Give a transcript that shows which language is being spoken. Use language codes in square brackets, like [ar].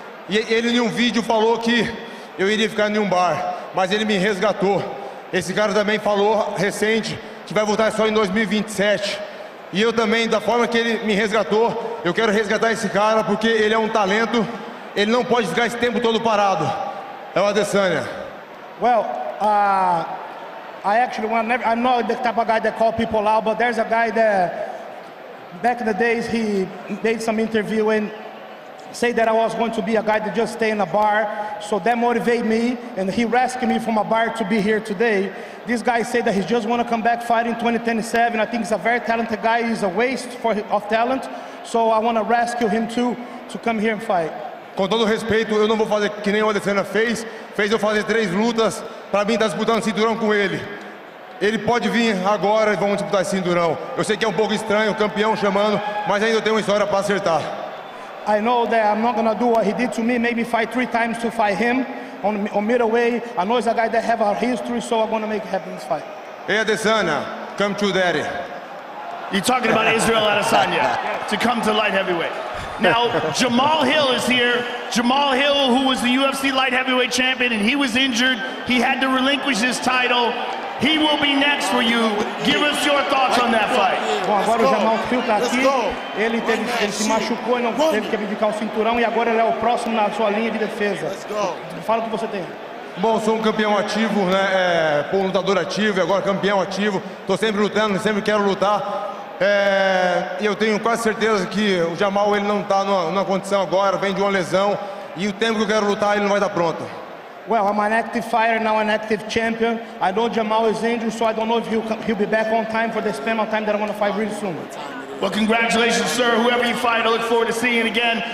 [pt] E ele, em um vídeo, falou que eu iria ficar em um bar. Mas ele me resgatou. Esse cara também falou, recente, que vai voltar só em 2027. E eu também, da forma que ele me resgatou, eu quero resgatar esse cara, porque ele é um talento. Ele não pode ficar esse tempo todo parado. É o Adesanya. [en] Well, I'm not the type of guy that call people out, but there's a guy that back in the days he made some interview and say that I was going to be a guy that just stay in a bar. So that motivated me and he rescued me from a bar to be here today. This guy said that he just want to come back fighting 2027. I think he's a very talented guy. He's a waste of talent. So I want to rescue him too to come here and fight. [pt] Com todo respeito, eu não vou fazer que nem o Adesanya fez. Fez eu fazer 3 lutas para mim estar disputando cinturão com ele. Ele pode vir agora e vamos disputar cinturão. Eu sei que é um pouco estranho, o campeão chamando, mas ainda tem uma história para acertar. [en] I know that I'm not gonna do what he did to me, made me fight 3 times to fight him on middleweight. I know he's a guy that have a history, so I'm gonna make it happen this fight. Hey Adesanya, come to daddy. You're talking about Israel Adesanya to come to light heavyweight. Now, Jamal Hill is here. Jamal Hill, who was the UFC light heavyweight champion, and he was injured. He had to relinquish his title. He will be next for you. Give us your thoughts on that fight. [pt] Bom, agora o Jamal Hill está aqui. Ele se machucou e não teve que abdicar o cinturão, e agora ele é o próximo na sua linha de defesa. Fala o que você tem. Bom, sou um campeão ativo, né? Um lutador ativo, e agora campeão ativo. Estou sempre lutando, sempre quero lutar. Eu tenho quase certeza que o Jamal ele não está numa condição agora, vem de uma lesão e o tempo que eu quero lutar ele não vai estar pronto. [en] Well, I'm an active fighter now, an active champion. I know Jamal is injured, so I don't know if he'll be back on time for the span of time that I'm going to fight really soon. Well, congratulations, sir. Whoever you fight, I look forward to seeing you again.